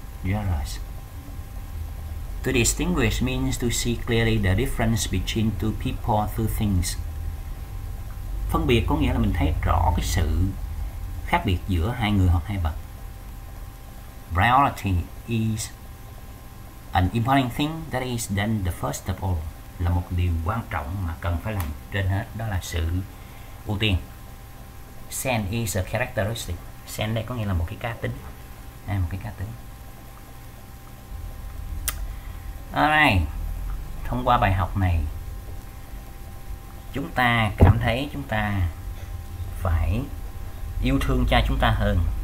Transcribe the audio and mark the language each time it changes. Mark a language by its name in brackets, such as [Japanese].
[English] Generous. To distinguish means to see clearly the difference between two people or two things. [Vietnamese] Phân biệt có nghĩa là mình thấy rõ cái sự khác biệt giữa hai người hoặc hai vật. [English] Priority is an important thing that is done the first of all. [Vietnamese] Là một điều quan trọng mà cần phải làm trên hết, đó là sự ưu tiên. [English] Sen is a characteristic. [Vietnamese] Sen đây có nghĩa là một cái cá tính. [English] Đây là một cái cá tính. [Vietnamese] Alright. Thông qua bài học này, chúng ta cảm thấy chúng ta phải yêu thương cha chúng ta hơn.